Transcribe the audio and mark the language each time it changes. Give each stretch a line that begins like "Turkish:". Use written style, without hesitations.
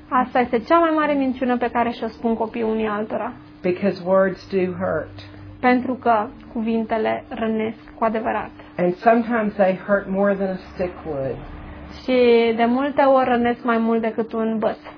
Romanian: Asta este cea mai mare minciună pe care și-o spun copiii unii altora.
English: Because words do hurt.
Romanian: Pentru că cuvintele rănesc cu adevărat.
English: And sometimes they hurt more than a stick would.
Romanian: Și de multe ori rănesc mai mult decât un băț.